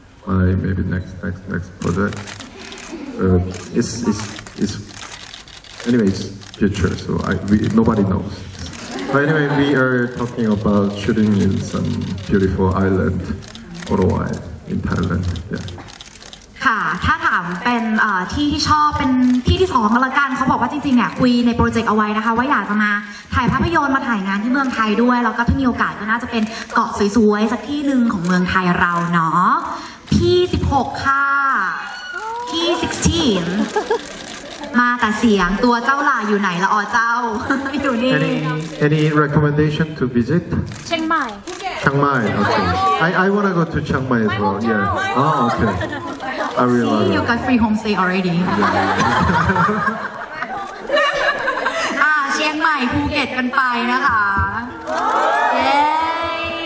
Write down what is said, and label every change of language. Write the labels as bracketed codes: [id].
[en] Maybe next project. It's anyway, it's future, so nobody knows. But anyway, we are talking about shooting in some beautiful island, otherwise in Thailand, yeah. [th] ถ้าถามเป็นที่ที่ชอบเป็นที่ที่สองก็แล้วกันเขาบอกว่าจริงๆเนี่ยคุยในโปรเจกต์เอาไว้นะคะว่าอยากจะมาถ่ายภาพยนตร์มาถ่ายงานที่เมืองไทยด้วยแล้วก็ถ้ามีโอกาสก็น่าจะเป็นเกาะสวยๆสักที่หนึ่งของเมืองไทยเราเนาะพี่16ค่ะพี่16มาแต่เสียงตัวเจ้าลาอยู่ไหนละอ๋อเจ้าอยู่นี่ [en] any recommendation to visit [th] เชียงใหม่ [en] Chiang Mai, okay. I wanna go to Chiang Mai as well. Yeah. Oh, okay. I really love it. See, you got free homestay already. [th] Chiang Mai, Phuket, กันไปนะคะ Yay!